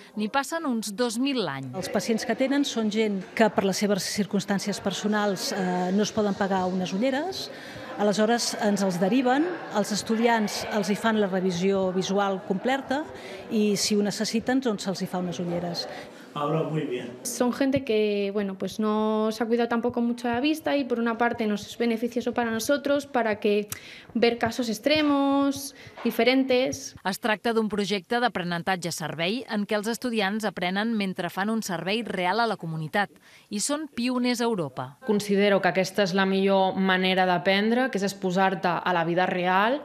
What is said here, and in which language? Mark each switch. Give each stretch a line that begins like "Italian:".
Catalan: N'hi passen uns 2.000 l'any. Els pacients que tenen són gent que, per les seves circumstàncies personals, no es poden pagar unes ulleres. Aleshores, ens els deriven, els estudiants els hi fan la revisió visual completa i, si ho necessiten, doncs se'ls hi fa unes ulleres.
Spanish: Ahora muy bien. Son gente que, bueno, pues no se ha cuidado tampoco mucho la vista y por una parte nos es beneficioso para nosotros para que ver casos extremos, diferentes.
Catalan: Es tracta d'un projecte d'aprenentatge-servei en què els estudiants aprenen mentre fan un servei real a la comunitat i són pioners a Europa. Considero que aquesta és la millor manera d'aprendre, que és exposar-te a la vida real.